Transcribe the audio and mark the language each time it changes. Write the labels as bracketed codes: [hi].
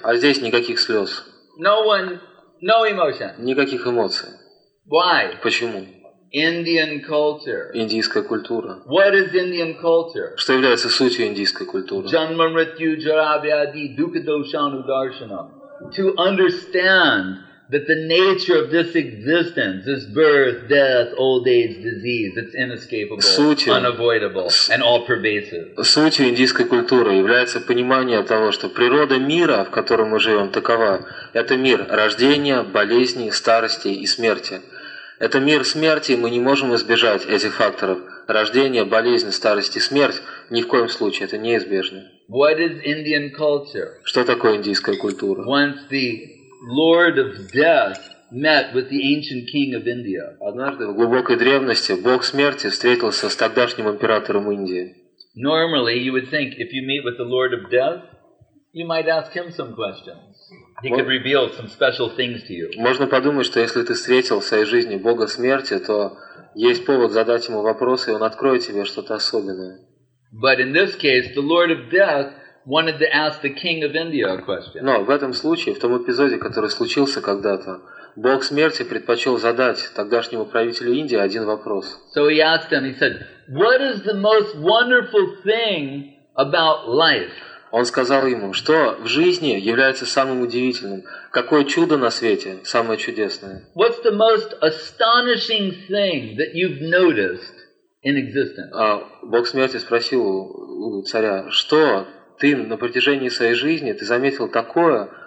[ru] А здесь никаких слез. [en] No one, no emotion. [ru] Никаких эмоций. [en] Why? [ru] Почему? [en] Indian culture. [ru] Индийская культура. [en] What is Indian culture? [ru] Что является сутью индийской культуры? [sa] Janma mrityu jarabhyadi dukadoshanu darshanam. [en] To understand that the nature of this existence is birth, death, old age, disease. It's inescapable, unavoidable, and all pervasive. [ru] Сутью индийской культуры является понимание того, что природа мира, в котором мы живем, такова. Это мир рождения, болезни, старости и смерти. Это мир смерти, и мы не можем избежать этих факторов. Рождение, болезнь, старость и смерть ни в коем случае, это неизбежно. [en] What is Indian culture? [ru] Что такое индийская культура? [en] Once the Lord of Death met with the ancient king of India. [ru] Однажды в глубокой древности бог смерти встретился с тогдашним императором Индии. [en] Normally, you would think, if you meet with the Lord of Death, you might ask him some questions. He could reveal some special things to you. [ru] Можно подумать, что если ты встретил в своей жизни Бога смерти, то есть повод задать ему вопросы, и он откроет тебе что-то особенное. [en] But in this case, the Lord of Death wanted to ask the King of India a question. [ru] Но в этом случае, в том эпизоде, который случился когда-то, Бог смерти предпочел задать тогдашнему правителю Индии один вопрос. [en] So he asked him. He said, "What is the most wonderful thing about life?" [ru] Он сказал ему, что в жизни является самым удивительным. Какое чудо на свете самое чудесное? [en] What's the most astonishing thing that you've noticed in existence? [ru] Бог смерти спросил у царя, что ты на протяжении своей жизни ты заметил такое,